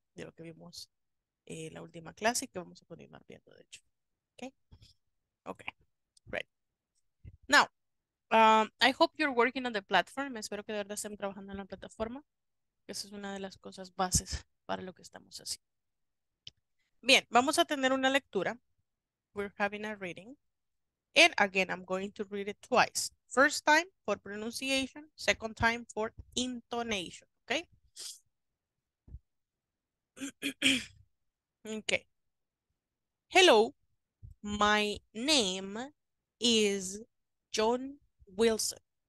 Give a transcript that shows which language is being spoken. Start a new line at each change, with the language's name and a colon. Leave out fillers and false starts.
Spanish: De lo que vimos la última clase que vamos a continuar viendo, de hecho.
English: Okay? Okay, great. Now, I hope you're working on the platform.
Spanish: Espero que de verdad estén trabajando en la plataforma. Esa es una de las cosas bases para lo que estamos haciendo. Bien, vamos a tener una lectura.
English: We're having a reading. And again, I'm going to read it twice. First time for pronunciation, second time for intonation. Okay? Okay. Hello, my name is John Wilson.